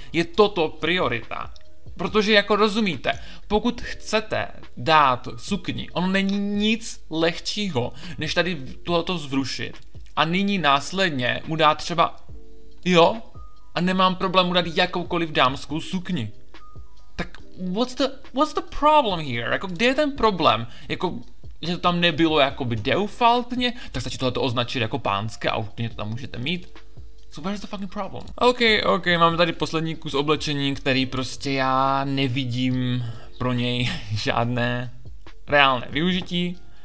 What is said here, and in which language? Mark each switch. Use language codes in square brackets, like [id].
[cs] Je toto priorita. Protože jako rozumíte, pokud chcete dát sukni, ono není nic lehčího, než tady tohleto zrušit. A nyní následně mu dát třeba, jo, a nemám problém mu dát jakoukoliv dámskou sukni. Tak [en] what's the problem here? [cs] Jako kde je ten problém? Jako, že to tam nebylo jakoby defaultně, tak stačí tohleto označit jako pánské a úplně to tam můžete mít. [en] So where's the fucking problem? [cs] OK, máme tady poslední kus oblečení, který prostě já nevidím pro něj žádné reálné využití.